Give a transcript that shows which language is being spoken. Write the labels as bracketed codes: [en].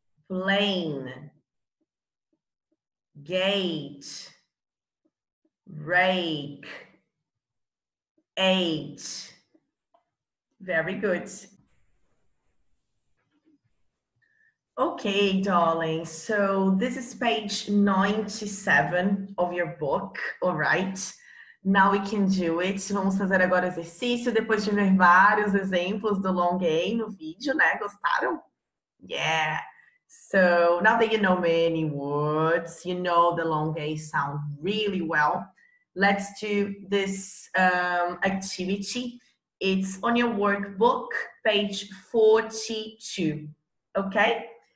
[en] Plane, gate, rake, eight. Very good. Okay, darling, so this is page 97 of your book, all right? Now we can do it. [pt] Vamos fazer agora o exercício depois de ver vários exemplos do long A no vídeo, né? Gostaram? Yeah! [en] So, now that you know many words, you know the long A sound really well, let's do this activity. It's on your workbook, page 42, okay?